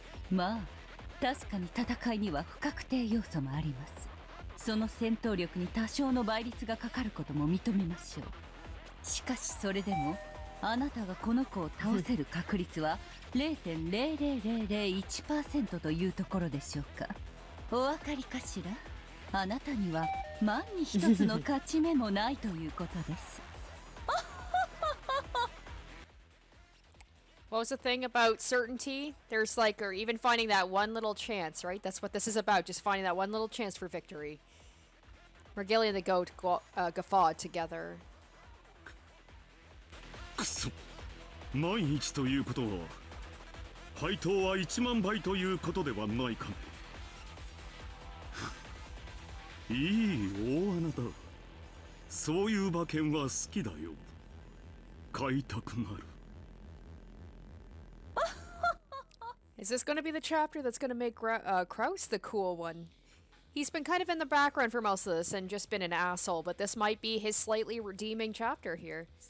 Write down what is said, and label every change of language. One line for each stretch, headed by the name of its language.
Japanese: まあ、確かに戦いには不確定要素もあります。その戦闘力に多少の倍率がかかることも認めましょう。しかしそれでも、 あなたがこの子を倒せる確率は0.00001% というところでしょうか。お分かりかしら?あなたには万に一つの勝ち目もないということです。
English: What was the thing about certainty? There's like, or even finding that one little chance, right? That's what this is about, just finding that one little chance for victory. Regalia and the goat guffawed together.
Japanese: くそ。毎日ということは、配当は1万倍ということではないかね。いい大穴だ。そういう馬券は好きだよ。買いたくなる。
English: Is this gonna be the chapter that's gonna make Kraus the cool one? He's been kind of in the background for most of this and just been an asshole, but this might be his slightly redeeming chapter here.